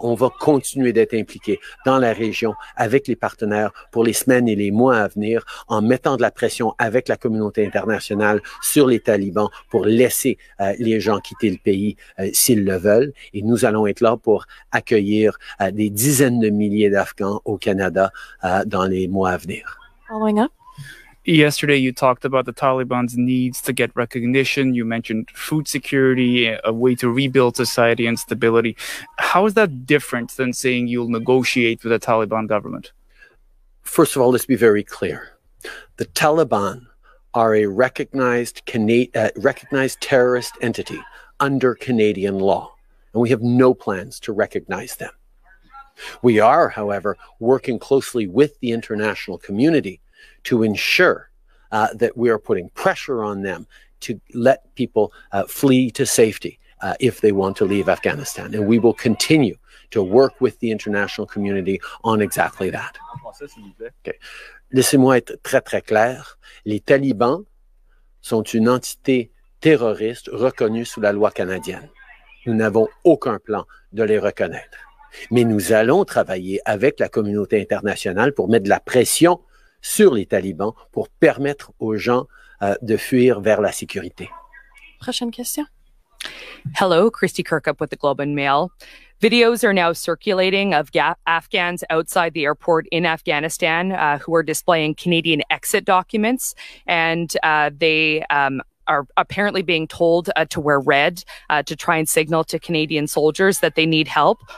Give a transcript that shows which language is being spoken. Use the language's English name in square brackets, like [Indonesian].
[French] On va continuer d'être impliqués dans la région avec les partenaires pour les semaines et les mois à venir en mettant de la pression avec la communauté internationale sur les talibans pour laisser les gens quitter le pays s'ils le veulent. Et nous allons être là pour accueillir des dizaines de milliers d'Afghans au Canada dans les mois à venir. [English] Following up. Yesterday, you talked about the Taliban's needs to get recognition. You mentioned food security, a way to rebuild society and stability. How is that different than saying you'll negotiate with the Taliban government? First of all, let's be very clear. The Taliban are a recognized terrorist entity under Canadian law, and we have no plans to recognize them. We are, however, working closely with the international community to ensure that we are putting pressure on them to let people flee to safety if they want to leave Afghanistan. And we will continue to work with the international community on exactly that. [French] Okay. Laissez-moi être très, très clair. Les talibans sont une entité terroriste reconnue sous la loi canadienne. Nous n'avons aucun plan de les reconnaître. Mais nous allons travailler avec la communauté internationale pour mettre de la pression sur les talibans pour permettre aux gens de fuir vers la sécurité. Prochaine question. [English] Hello, Christy Kirkup with the Globe and Mail. Videos are now circulating of Afghans outside the airport in Afghanistan who are displaying Canadian exit documents, and they are apparently being told to wear red to try and signal to Canadian soldiers that they need help.